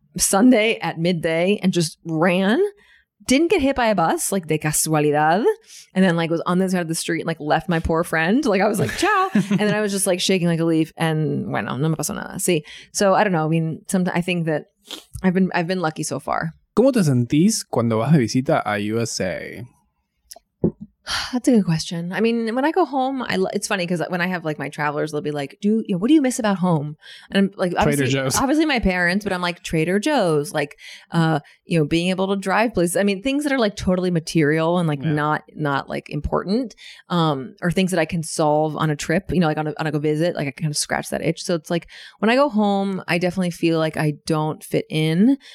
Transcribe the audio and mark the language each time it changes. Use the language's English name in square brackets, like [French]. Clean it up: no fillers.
[English] Sunday at midday, and just ran, didn't get hit by a bus like [Spanish] de casualidad, [English] and then like was on the side of the street and like left my poor friend, like I was like, ciao. And then I was just like shaking like a leaf, and [Spanish] bueno, no me pasó nada. [English] See, so I don't know, I mean, sometimes I think that I've been lucky so far. [Spanish] ¿Cómo te sentís cuando vas de visita a USA? [English] That's a good question. I mean, when I go home, it's funny because when I have like my travelers, they'll be like, "Do you, you know, what do you miss about home?" And I'm like, obviously my parents, but I'm like, Trader Joe's, like, you know, being able to drive places. I mean, things that are like totally material and like not like important, or things that I can solve on a trip, you know, like on a go visit, like I kind of scratch that itch. So it's like when I go home, I definitely feel like I don't fit in.